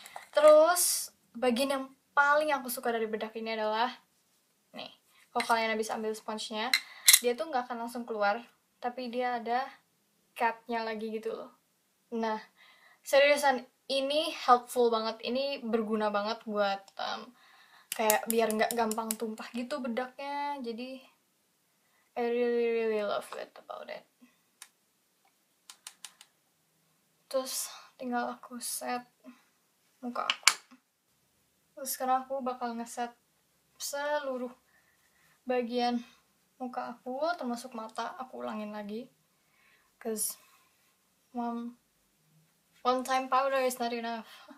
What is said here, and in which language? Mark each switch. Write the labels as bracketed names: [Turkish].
[Indonesian] Terus, bagian yang paling aku suka dari bedak ini adalah nih, kalau kalian habis ambil sponge-nya, dia tuh nggak akan langsung keluar, tapi dia ada cap-nya lagi gitu loh. Nah, seriusan, ini helpful banget, ini berguna banget buat kayak biar nggak gampang tumpah gitu bedaknya. [English] Jadi, I really really love it about it. [Indonesian] Terus, tinggal aku set muka aku. Terus sekarang aku bakal ngeset seluruh bagian muka aku, termasuk mata. Aku ulangin lagi, [English] cause one time powder is not enough.